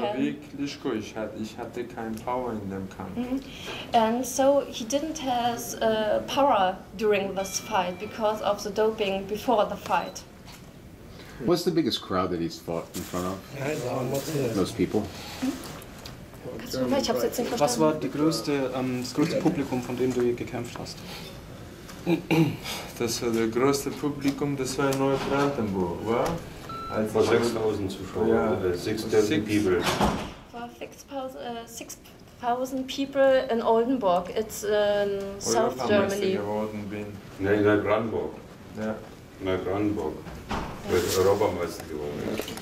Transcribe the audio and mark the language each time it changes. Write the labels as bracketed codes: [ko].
[de] Das war wirklich gut. Ich hatte kein Power in dem Kampf. Mm-hmm. [en] And so he didn't have power during this fight because of the doping before the fight. What's the biggest crowd that he's fought in front of? Most people. Mm-hmm. [de] Was war die größte, das größte Publikum, von dem du hier gekämpft hast? Das war das größte Publikum, das war in Neubrandenburg, war? Also vor 6.000 Zuschauern, ja. [en] 6.000 people. [de] Vor [en] 6.000 people in Oldenburg, it's in South Germany. [de] Geworden bin. Nein, in Neubrandenburg. Ja. Neubrandenburg. Ja. Ich bin Europameister geworden.